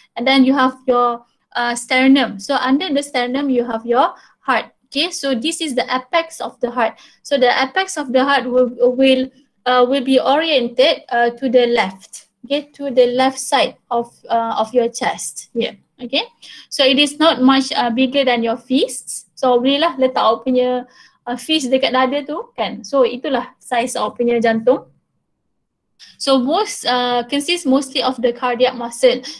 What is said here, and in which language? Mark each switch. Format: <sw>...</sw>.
<en>And then you have your sternum. So under the sternum, you have your heart. Okay, so this is the apex of the heart. So the apex of the heart will be oriented to the left. Okay, to the left side of your chest. Yeah. Okay. So it is not much bigger than your fists.</en> <ms>So bolehlah letak awak punya fist dekat dada tu, kan? So itulah size awak punya jantung.</ms> <en>So most consists mostly of the cardiac muscle.</en>